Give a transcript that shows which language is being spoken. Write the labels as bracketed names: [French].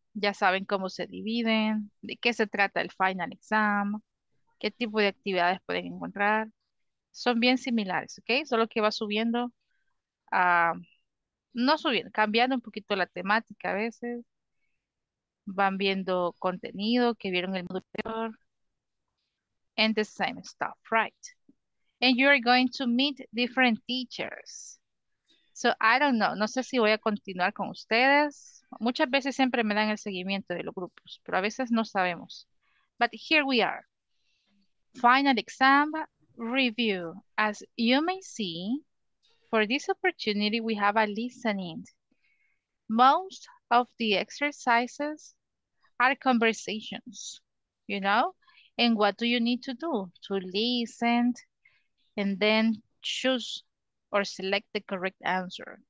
[Spanish] Ya saben cómo se dividen, de qué se trata el final exam, qué tipo de actividades pueden encontrar. Son bien similares, ¿ok? Solo que va subiendo. No subiendo, cambiando un poquito la temática a veces. Van viendo contenido que vieron el módulo anterior. [English] And the same stuff, right? And you are going to meet different teachers. So I don't know, [Spanish] no sé si voy a continuar con ustedes. Muchas veces siempre me dan el seguimiento de los grupos, pero a veces no sabemos. [English] But here we are. Final exam review. As you may see, for this opportunity, we have a listening. Most of the exercises are conversations, you know? And what do you need to do? To listen and then choose or select the correct answer.